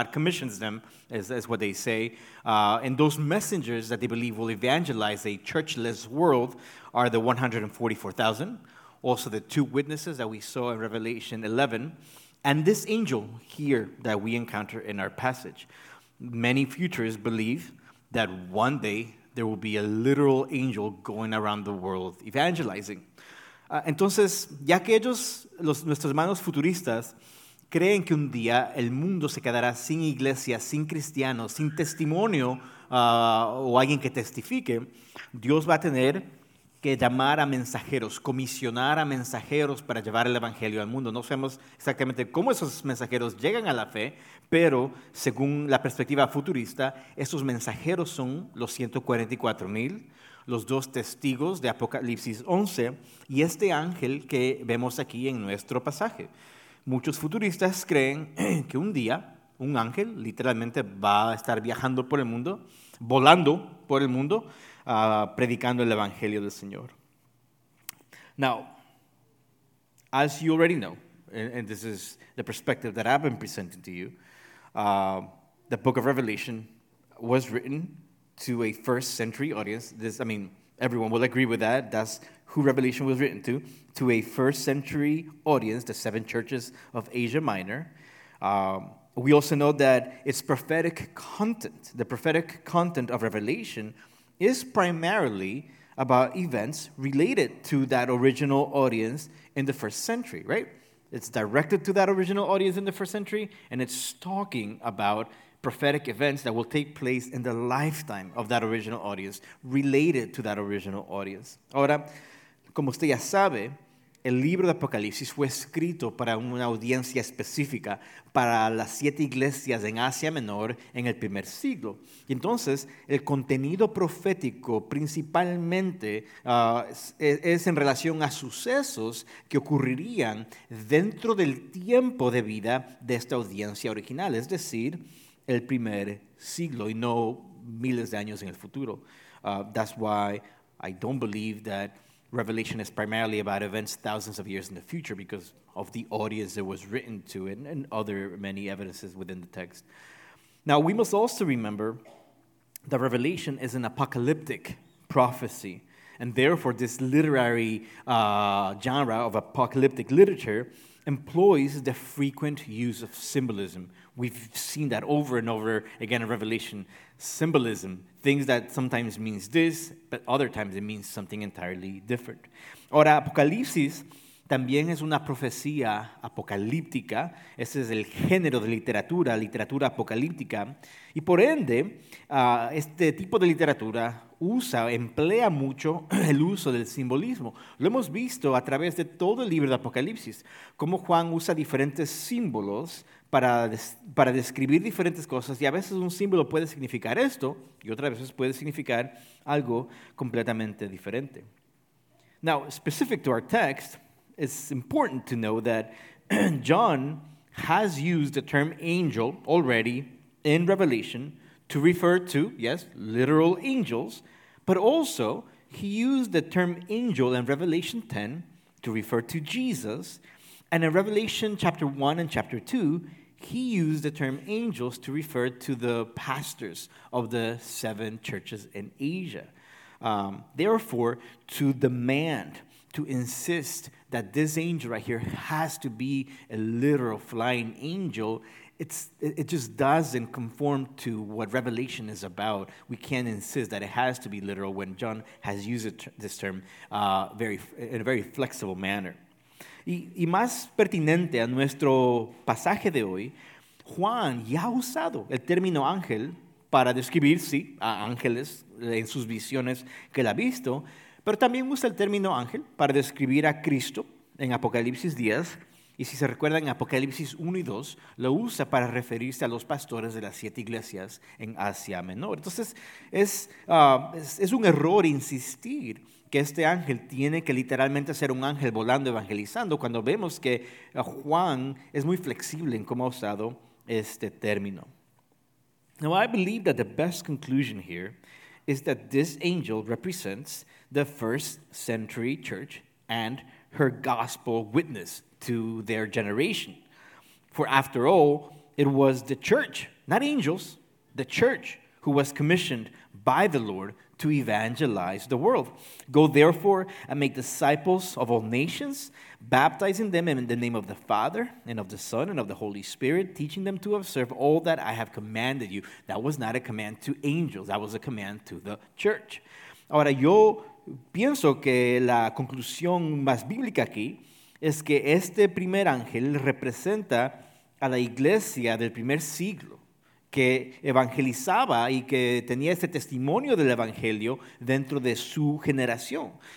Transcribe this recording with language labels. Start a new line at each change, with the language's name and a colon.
English: God commissions them, is what they say. And those messengers that they believe will evangelize a churchless world are the 144,000, also the two witnesses that we saw in Revelation 11, and this angel here that we encounter in our passage. Many futurists believe that one day there will be a literal angel going around the world evangelizing.
Spanish: Entonces, ya que ellos, nuestros hermanos futuristas, creen que un día el mundo se quedará sin iglesia, sin cristianos, sin testimonio o alguien que testifique, Dios va a tener que llamar a mensajeros, comisionar a mensajeros para llevar el evangelio al mundo. No sabemos exactamente cómo esos mensajeros llegan a la fe, pero según la perspectiva futurista, estos mensajeros son los 144,000, los dos testigos de Apocalipsis 11 y este ángel que vemos aquí en nuestro pasaje. Muchos futuristas creen que un día un ángel literalmente va a estar viajando por el mundo, volando por el mundo, predicando el evangelio del Señor.
English: Now, as you already know, and this is the perspective that I've been presenting to you, the book of Revelation was written to a first century audience. Everyone will agree with that. That's who Revelation was written to a first century audience, the seven churches of Asia Minor. We also know that its prophetic content, the prophetic content of Revelation, is primarily about events related to that original audience in the first century, right? It's directed to that original audience in the first century, and it's talking about prophetic events that will take place in the lifetime of that original audience, related to that original audience.
Spanish: Ahora, como usted ya sabe, el libro de Apocalipsis fue escrito para una audiencia específica, para las siete iglesias en Asia Menor en el primer siglo. Y entonces, el contenido profético principalmente es en relación a sucesos que ocurrirían dentro del tiempo de vida de esta audiencia original, es decir, el primer siglo y no miles de años en el futuro.
English: That's why I don't believe that Revelation is primarily about events thousands of years in the future because of the audience it was written to and other many evidences within the text. Now, we must also remember that Revelation is an apocalyptic prophecy, and therefore this literary genre of apocalyptic literature employs the frequent use of symbolism. We've seen that over and over again in Revelation. Symbolism, things that sometimes means this, but other times it means something entirely different.
Spanish: Ahora, Apocalipsis también es una profecía apocalíptica. Ese es el género de literatura, literatura apocalíptica. Y por ende, este tipo de literatura emplea mucho el uso del simbolismo. Lo hemos visto a través de todo el libro de Apocalipsis, cómo Juan usa diferentes símbolos para describir diferentes cosas, y a veces un símbolo puede significar esto, y otras veces puede significar algo completamente diferente.
English: Now, specific to our text, it's important to know that John has used the term angel already in Revelation to refer to, yes, literal angels, but also he used the term angel in Revelation 10 to refer to Jesus, and in Revelation chapter 1 and chapter 2, he used the term angels to refer to the pastors of the seven churches in Asia. Therefore, to demand, to insist that this angel right here has to be a literal flying angel, it just doesn't conform to what Revelation is about. We can't insist that it has to be literal when John has used this term in a very flexible manner.
Spanish: Y más pertinente a nuestro pasaje de hoy, Juan ya ha usado el término ángel para describir, sí, a ángeles en sus visiones que él ha visto, pero también usa el término ángel para describir a Cristo en Apocalipsis 10. Y si se recuerdan, en Apocalipsis 1 y 2 lo usa para referirse a los pastores de las siete iglesias en Asia Menor. Entonces, es un error insistir que este ángel tiene que literalmente ser un ángel volando, evangelizando, cuando vemos que Juan es muy flexible en cómo ha usado este término.
English: Now, I believe that the best conclusion here is that this angel represents the first century church and her gospel witness to their generation. For after all, it was the church, not angels, the church who was commissioned by the Lord to evangelize the world. Go therefore and make disciples of all nations, baptizing them in the name of the Father and of the Son and of the Holy Spirit, teaching them to observe all that I have commanded you. That was not a command to angels, that was a command to the church.
Spanish: Ahora, yo pienso que la conclusión más bíblica aquí es que este primer ángel representa a la iglesia del primer siglo que evangelizaba y que tenía este testimonio del evangelio dentro de su generación.